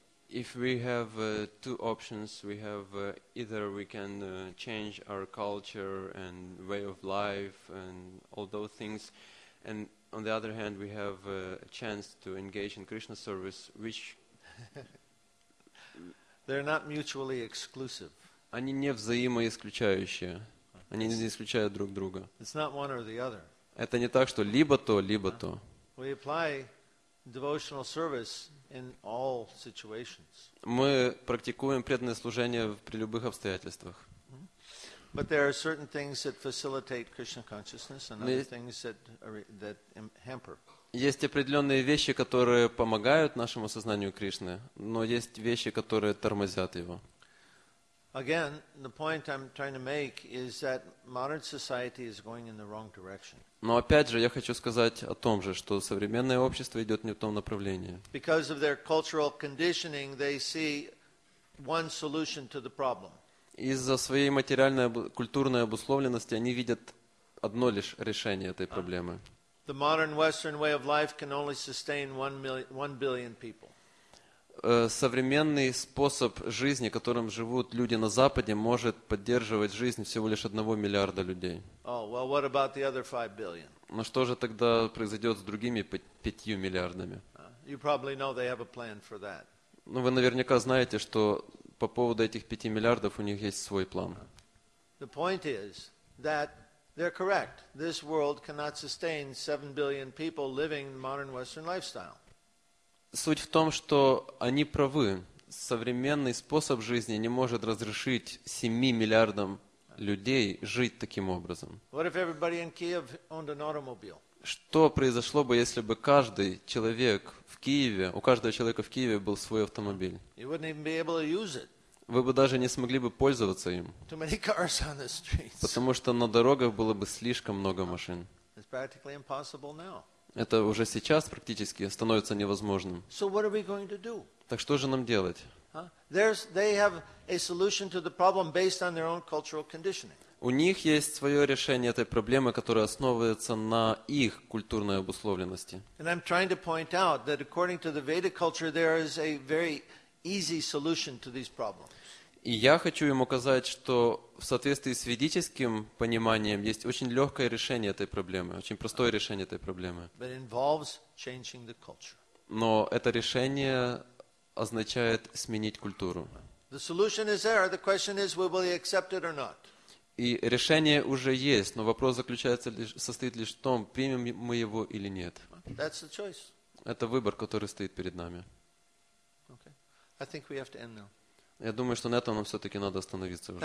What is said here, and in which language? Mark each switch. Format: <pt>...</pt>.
<en>If we have two options, we have either we can change our culture and way of life and all those things, and on the other hand, we have a chance to engage in Krishna service, which... They're not mutually exclusive.</en> <ru>Они не взаимоисключающие. Они не исключают друг друга.</ru> <en>It's not one or the other.</en> <ru>Это не так, что либо то, либо то.</ru> <en>We apply devotional service in all situations.</en> <ru>Мы практикуем преданное служение при любых обстоятельствах.</ru> <en>But there are certain things that facilitate Krishna consciousness and other things that hamper.</en> <ru>Есть определенные вещи, которые помогают нашему сознанию Кришны, но есть вещи, которые тормозят его.</ru> <en>Again, the point I'm trying to make is that modern society is going in the wrong direction.</en> <ru>Но опять же, я хочу сказать о том же, что современное общество идет не в том направлении.</ru> <en>Because of their cultural conditioning, they see one solution to the problem.</en> <ru>Из-за своей материальной культурной обусловленности они видят одно лишь решение этой проблемы.</ru> <en>The modern Western way of life can only sustain 1 billion people.</en> <ru>Современный способ жизни, которым живут люди на Западе, может поддерживать жизнь всего лишь 1 миллиарда людей.</ru> <en>Oh, well, what about the other 5 billion?</en> <ru>Но что же тогда произойдет с другими 5 миллиардами?</ru> <en>You probably know they have a plan for that.</en> <ru>Ну, вы наверняка знаете, что по поводу этих 5 миллиардов у них есть свой план.</ru> <en>The point is that they're correct. This world cannot sustain 7 billion people living the modern Western lifestyle.</en> <ru>Суть в том, что они правы. Современный способ жизни не может разрешить 7 миллиардам людей жить таким образом.</ru> <en>What if everybody in Kiev owned an automobile?</en> <ru>Что произошло бы, если бы каждый человек в Киеве, у каждого человека в Киеве был свой автомобиль?</ru> <en>You wouldn't even be able to use it.</en> <ru>Вы бы даже не смогли бы пользоваться им.</ru> <en>Too many cars on the streets.</en> <ru>Потому что на дорогах было бы слишком много машин.</ru> <en>It's practically impossible now.</en> <ru>Это уже сейчас практически становится невозможным.</ru> <en>So what are we going to do?</en> <ru>Так что же нам делать?</ru> <en>They have a solution to the problem based on their own cultural conditioning.</en> <ru>У них есть свое решение этой проблемы, которая основывается на их культурной обусловленности.</ru> <en>And I'm trying to point out that according to the Vedic culture, there is a very easy solution to these problems.</en> <ru>И я хочу им указать, что в соответствии с ведическим пониманием есть очень легкое решение этой проблемы, очень простое решение этой проблемы.</ru> <en>But it involves changing the culture.</en> <ru>Но это решение означает сменить культуру.</ru> <en>The solution is there. The question is, will we accept it or not?</en> <ru>И решение уже есть, но вопрос заключается лишь, состоит лишь в том, примем мы его или нет.</ru> <en>That's the choice.</en> <ru>Это выбор, который стоит перед нами.</ru> <en>Okay. I think we have to end now.</en> <ru>Я думаю, что на этом нам все-таки надо остановиться уже.</ru>